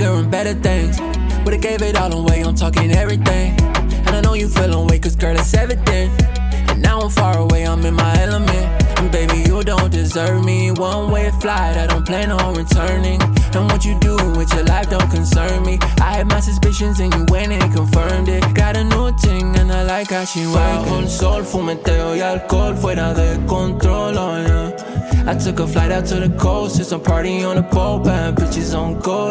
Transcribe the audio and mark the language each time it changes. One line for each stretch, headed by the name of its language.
English: Better things, but it gave it all away. I'm talking everything, and I know you feeling weak, cause girl, it's everything. And now I'm far away, I'm in my element. And baby, you don't deserve me. One way flight, I don't plan on returning. And what you do with your life don't concern me. I had my suspicions, and you went and confirmed it. Got a new thing, and I like how she working.
Spanish: Bajo el sol, fumeteo y alcohol, fuera de control.
English: Oh, yeah. I took a flight out to the coast, it's a party on the boat, bad bitches on go.